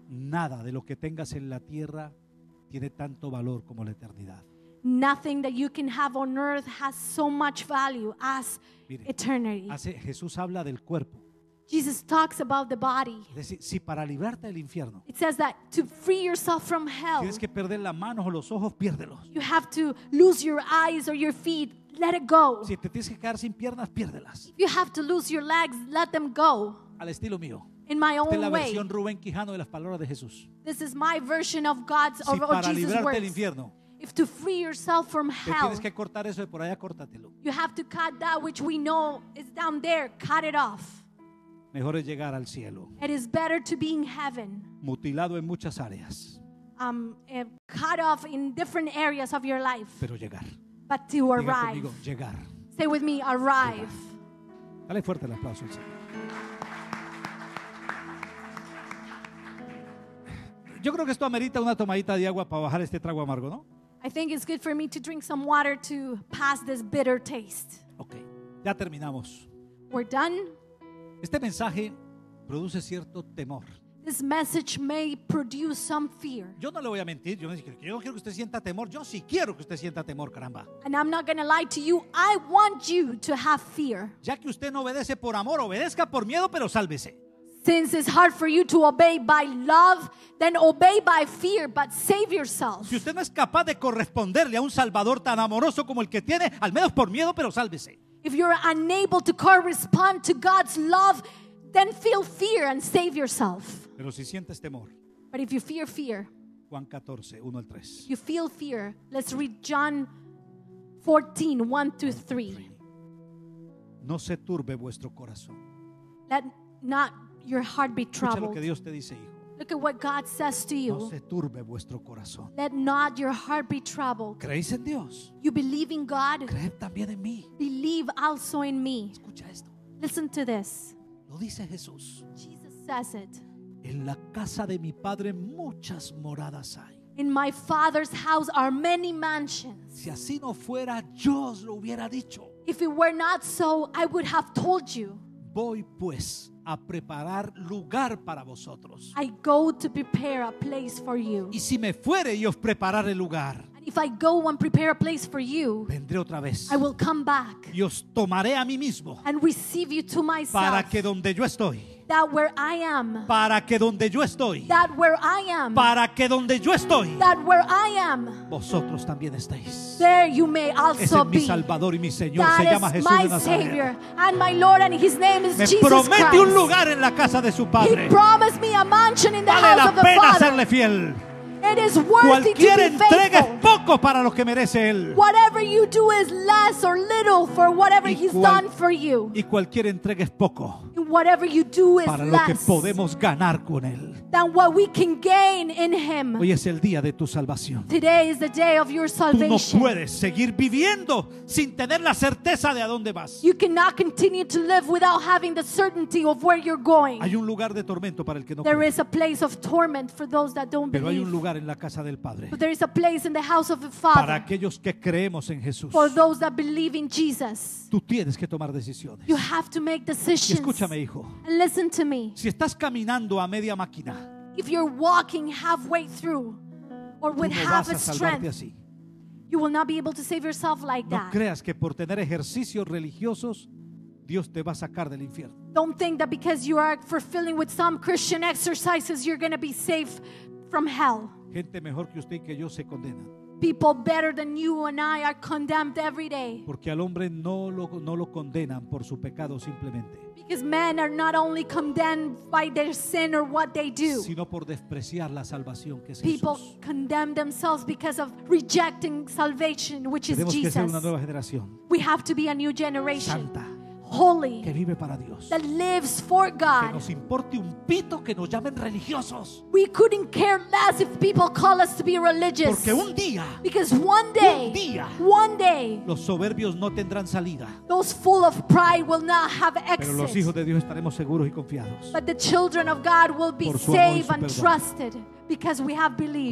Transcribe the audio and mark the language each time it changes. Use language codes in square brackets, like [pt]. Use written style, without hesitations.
[es] Nada de lo que tengas en la tierra tiene tanto valor como la eternidad. [en] Nothing that you can have on earth has so much value as eternity. [es] Jesús habla del cuerpo. [en] Jesus talks about the body. [es] Si para librarte del infierno, [en] it says that to free yourself from hell, [es] tienes que perder las manos o los ojos, piérdelos. [en] You have to lose your eyes or your feet, let it go. [es] Si te tienes que quedar sin piernas, piérdelas. [en] If you have to lose your legs, let them go. [es] Al estilo mío. [en] In my own way. [es] Esta es la versión Rubén Quijano de las palabras de Jesús. [en] This is my version of God's [es] si [en] or Jesus' words. [es] Si para librarte del infierno. [en] If to free yourself from hell, [es] tienes que cortar eso de por allá, córtatelo. [en] You have to cut that which we know is down there, cut it off. [es] Mejor es llegar al cielo. [en] It is better to be in heaven. [es] Mutilado en muchas áreas. [en] Cut off in different areas of your life. [es] Pero llegar. [en] But to arrive. [es] Conmigo, llegar. [en] Say with me, arrive. [es] Llegar. Dale fuerte el aplauso al Señor. Yo creo que esto amerita una tomadita de agua para bajar este trago amargo, ¿no? [en] I think it's good for me to drink some water to pass this bitter taste. [es] Okay, ya terminamos. [en] We're done. [es] Este mensaje produce cierto temor. [en] This message may produce some fear. [es] Yo no le voy a mentir. Yo no quiero que usted sienta temor. Yo sí quiero que usted sienta temor, caramba. [en] And I'm not going to lie to you. I want you to have fear. [es] Ya que usted no obedece por amor, obedezca por miedo, pero sálvese. [en] Since it's hard for you to obey by love, then obey by fear, but save yourself. [es] Si usted no es capaz de corresponderle a un Salvador tan amoroso como el que tiene, al menos por miedo, pero sálvese. [en] If you're unable to correspond to God's love, then feel fear and save yourself. [es] Pero si sientes temor. [en] But if you fear fear. [es] Juan 14, 1 al 3. [en] You feel fear. Let's read John 14, 1 to 3. [es] No se turbe vuestro corazón. [en] Let not your heart be troubled. [es] Lo que Dios te dice, hijo. [en] Look at what God says to you. [es] No se turbe vuestro corazón. [en] Let not your heart be troubled. [es] ¿Creéis en Dios? [en] You believe in God. [es] Creed también en mí. [en] Believe also in me. [es] Escucha esto. [en] Listen to this. [es] Lo dice Jesús. [en] Jesus says it. [es] En la casa de mi Padre muchas moradas hay. [en] In my Father's house are many mansions. [es] Si así no fuera, yo os lo hubiera dicho. [en] If it were not so, I would have told you. [es] Voy pues a preparar lugar para vosotros. [en] I go to prepare a place for you. [es] Y si me fuere y os prepararé lugar. [en] And if I go and prepare a place for you. [es] Vendré otra vez. [en] I will come back. [es] Y os tomaré a mí mismo. [en] And receive you to myself. [es] Para que donde yo estoy. [en] That where I am. [es] Para que donde yo estoy. [en] That where I am. [es] Para que donde yo estoy. [en] That where I am. [es] Vosotros también estáis. [en] There you may also be. [es] Mi Salvador y mi Señor. [en] That [es] se llama Jesús [en] my Savior and my Lord, and His name is [es] me [en] Jesus. [es] Me promete [en] Christ. [es] Un lugar en la casa de su Padre. [en] He promised me a mansion in the [es] vale [en] house of the Father. [es] Vale la pena serle fiel. [en] It is worthy [es] cualquier [en] to be [es] entrega [en] faithful. [es] Es poco para lo que merece Él. [en] Whatever you do is less or little for whatever He's done for you. [es] Y cualquier entrega es poco. [en] And whatever you do is [es] para [en] less [es] lo que podemos ganar con Él. [en] Than what we can gain in Him. [es] Hoy es el día de tu salvación. [en] Today is the day of your salvation. [es] Tú no puedes seguir viviendo sin tener la certeza de a dónde vas. [en] You cannot continue to live without having the certainty of where you're going. [es] Hay un lugar de tormento para el que no [en] there [es] cree. [en] Is a place of torment for those that don't [es] pero [en] believe. [es] Hay un lugar en la casa del Padre. [en] But there is a place in the house of the Father. [es] Para aquellos que creemos en Jesús. [en] For those that believe in Jesus. [es] Tú tienes que tomar decisiones. [en] You have to make decisions. [es] Y escúchame, hijo. [en] And listen to me. [es] Si estás caminando a media máquina. [en] If you're walking halfway through or with half a strength. [es] Así. [en] You will not be able to save yourself like [es] no [en] that. [es] No creas que por tener ejercicios religiosos Dios te va a sacar del infierno. [en] Don't think that because you are fulfilling with some Christian exercises you're going to be safe from hell. [es] Gente mejor que usted y que yo se condenan. [en] people better than you and I are condemned every day. [es] Porque al hombre no lo condenan por su pecado simplemente. [en] Because men are not only condemned by their sin or what they do, [es] sino por despreciar la salvación que es [en] people [es] Jesús. [en] People condemn themselves because of rejecting salvation, which [es] tenemos [en] is Jesus. [es] Tenemos que ser una nueva generación. [en] We have to be a new generation. [es] Santa. [en] Holy, [es] que vive para Dios. [en] That lives for God. [es] Que nos importe un pito que nos llamen religiosos. [en] We couldn't care less if people call us to be religious. [es] Porque un día, [en] because one day, [es] un día, [en] one day, [es] los soberbios no tendrán salida. [en] Those full of pride will not have exit. [es] Pero los hijos de Dios estaremos seguros y confiados. [en] But the children of God will be saved and trusted because we have believed.